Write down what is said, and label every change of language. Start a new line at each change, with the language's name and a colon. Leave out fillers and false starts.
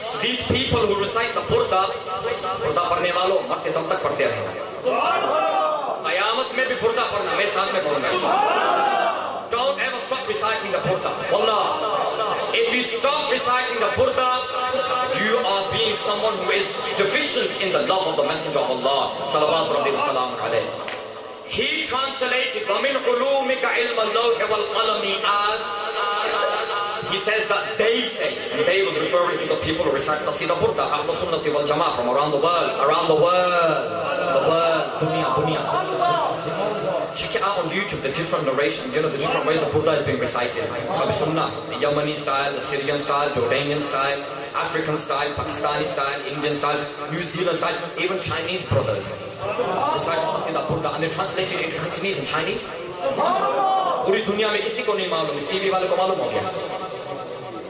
English: these people who recite the Burdah,
Urdu: بردہ پڑھنے والو مرتے تم تک پڑھتے رہےگا. قیامہ میں بھی بردہ پڑھنا، میں ساتھ میں پڑھوں گا.
English: Don't ever stop reciting the Burdah. Wallah. If you stop reciting the Burdah, you are being someone who is deficient in the love of the Messenger of Allah.
Arabic: Salawat Rabbi Salam alayhi.
English: He translated
Arabic: وَمِنْ عُلُومِكَ عِلْمَ اللَّوْحِ وَالْقَلَمِ
English: as he says that they say, and they was referring to the people who recite Qaseedah Burdah, Ahlu Sunnati wal Jama'ah from around the world, the world, dunya. Check it out on YouTube, the different narration, you know, the different ways of Burdah is being recited. Ahlu Sunnah, the Yemeni style, the Syrian style, Jordanian style, African style, Pakistani style, Indian style, New Zealand style, even Chinese brothers recite Qaseedah Burdah, and they translate it into Cantonese and Chinese.
Urdu: پوری دنیا میں کسی کو نہیں معلوم، اس T V والے کو معلوم ہو گیا.